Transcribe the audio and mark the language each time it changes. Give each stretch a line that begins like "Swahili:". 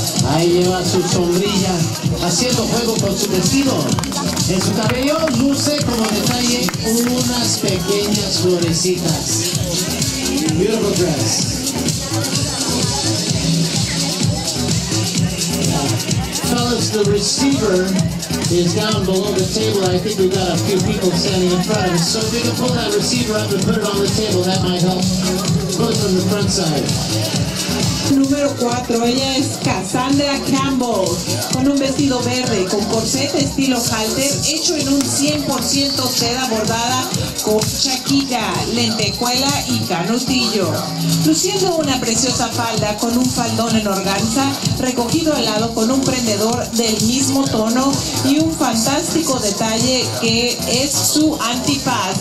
Spanish: Ahí lleva su sombrilla, haciendo juego con su vestido. En su cabello luce como detalle unas pequeñas florecitas.
English: Beautiful dress. Fellas, the receiver is down below the table. I think we've got a few people standing in front of us. So if we can pull that receiver up and put it on the table, that might help. Pull it from the front side.
Spanish: Número 4, ella es Cassandra Campbell, con un vestido verde, con corset estilo halter, hecho en un 100% seda bordada con chaquita, lentejuela y canutillo. Luciendo una preciosa falda con un faldón en organza, recogido al lado con un prendedor del mismo tono y un fantástico detalle que es su antifaz.